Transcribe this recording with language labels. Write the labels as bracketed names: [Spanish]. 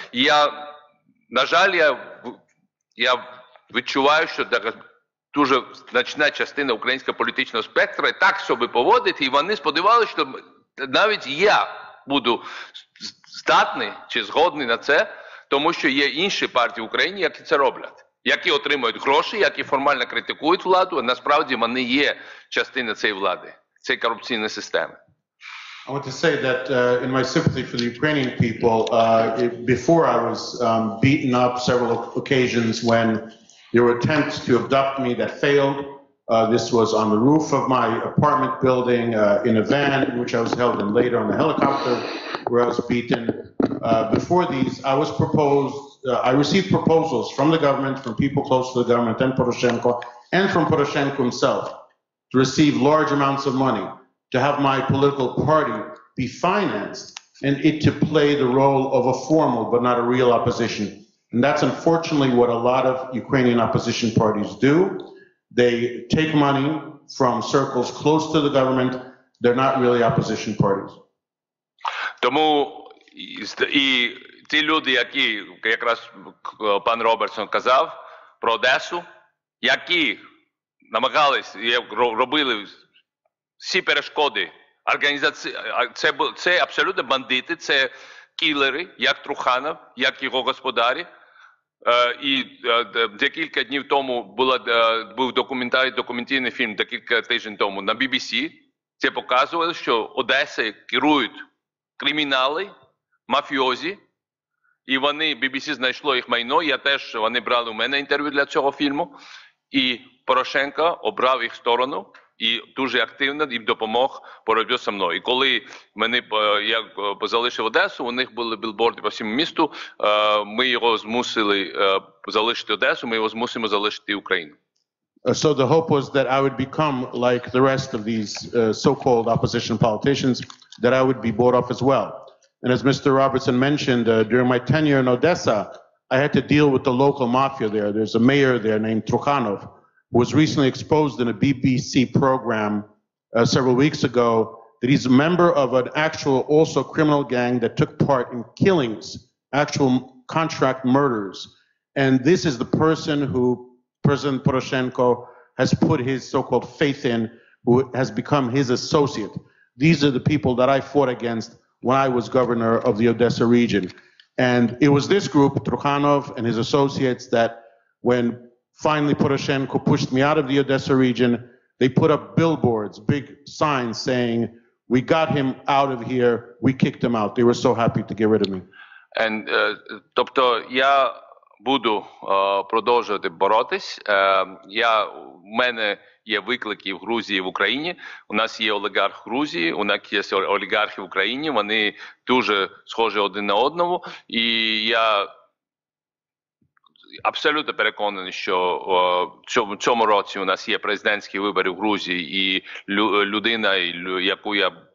[Ukrainian] Я, на жаль, я відчуваю, що дуже значна частина українського політичного спектра так собі поводить, і вони сподівалися, що навіть я буду здатний чи згодний на це, тому що є інші партії в Україні, які це роблять, які отримують гроші, які формально критикують владу, а насправді вони є частина цієї влади, цієї корупційної системи. [English] I want to say that in my sympathy for the Ukrainian people, before I was beaten up several occasions when there were attempts to abduct me that failed. This was on the roof of my apartment building in a van in which I was held, and later on a helicopter where I was beaten. Before these, I was proposed, I received proposals from the government, from people close to the government and Poroshenko, and from Poroshenko himself, to receive large amounts of money, to have my political party be financed, and it to play the role of a formal but not a real opposition. And that's unfortunately what a lot of Ukrainian opposition parties do. They take money from circles close to the government. They're not really opposition parties. [Ukrainian] Тому і ті люди, які якраз пан Робертсон казав про Одесу, які намагались і робили всі перешкоди організації, це абсолютно бандити, це кілери, як Труханов, як його господарі. І декілька днів тому був документальний фільм, декілька тижнів тому на BBC, це показувало, що Одеси керують кримінали, мафіози, і вони, BBC знайшло їх майно, я теж, вони брали у мене інтерв'ю для цього фільму, і Порошенко обрав їх сторону і дуже активно їм допомог боротьбі зі мною. І коли мене, я залишив Одесу, у них були білборди по всьому місту, ми його змусили залишити Одесу, ми його змусимо залишити Україну. [English] So the hope was that I would become like the rest of these so-called opposition politicians, that I would be bought off as well. And as Mr. Robertson mentioned, during my tenure in Odessa, I had to deal with the local mafia there. There's a mayor there named Trukhanov, was recently exposed in a BBC program several weeks ago that he's a member of an actual also criminal gang that took part in killings, actual contract murders. And this is the person who President Poroshenko has put his so-called faith in, who has become his associate. These are the people that I fought against when I was governor of the Odessa region. And it was this group, Trukhanov and his associates, that when finally, Poroshenko pushed me out of the Odessa region. They put up billboards, big signs saying, we got him out of here, we kicked him out. They were so happy to get rid of me. [Ukrainian] And, тобто, я буду продовжувати боротись. Я, у мене є виклики в Грузії, в Україні. У нас є олігарх в Грузії, у нас є олігархи в Україні. Вони дуже схожі один на одного. І я абсолютно переконаний, що в цьому році у нас є президентські вибори в Грузії, і людина, яку я